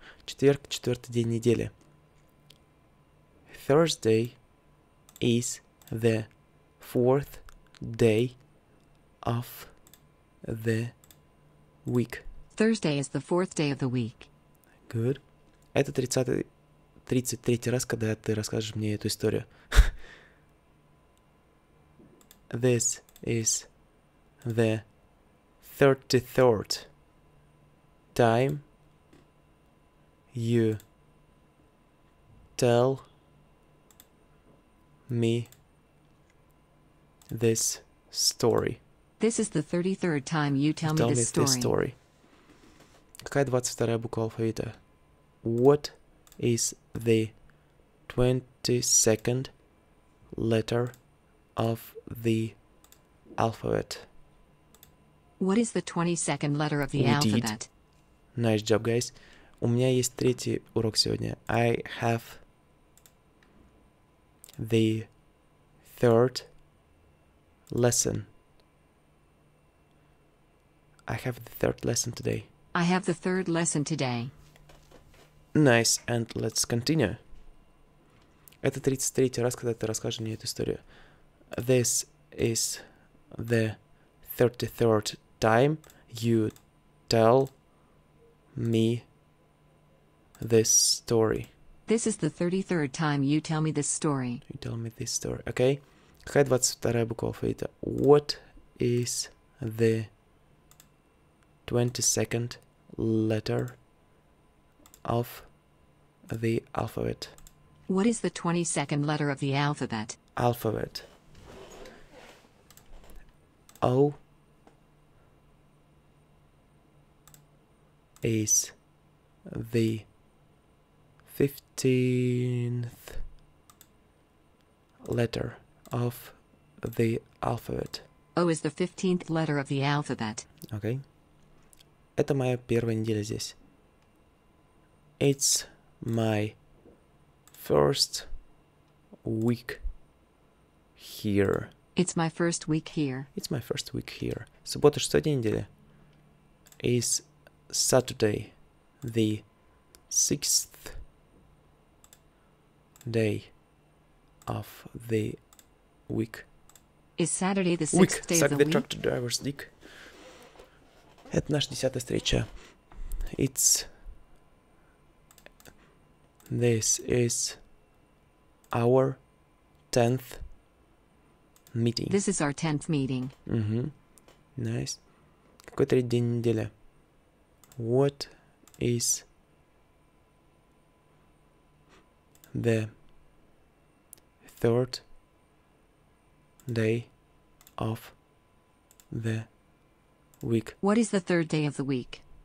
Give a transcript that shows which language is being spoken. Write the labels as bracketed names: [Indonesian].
[Russian] Четверг, четвертый день недели. [English] Thursday is the fourth day of the week. Thursday is the fourth day of the week. Good. [Russian] Это 33-й раз, когда ты расскажешь мне эту историю. [English] This is the 33rd time you tell me this story. This is the 33rd time you tell me this story. [Russian] Какая 22-я буква алфавита? [English] What is the 22nd letter of the alphabet? What is the 22nd letter of the alphabet? Nice job, guys. [Russian] У меня есть третий урок сегодня. [English] I have the third lesson. I have the third lesson today. I have the third lesson today. Nice, and let's continue. [Russian] Это 33-й раз, когда ты расскажешь мне эту историю. [English] This is the 33rd time you tell me this story. This is the 33rd time you tell me this story. You tell me this story, okay? [Russian] Какая 22-я буква алфавита? [English] What is the 22nd letter of the alphabet? What is the 22nd letter of the alphabet? Alphabet. O is the 15th letter of the alphabet. O is the 15th letter of the alphabet. Okay. [Russian] Это моя первая неделя здесь. [English] It's my first week here. It's my first week here. It's my first week here. [Russian] Суббота, шестой день недели. [English] Is Saturday the 6th day of the week? Is Saturday the 6th day of the week? Suck the tractor driver's dick. [Russian] Это наша десятая встреча. [English] This is our 10th meeting. This is our 10th meeting. Mm-hmm. Nice. [Russian] Какой третий день недели? [English] What is the third day of the week? What is the third day of the week?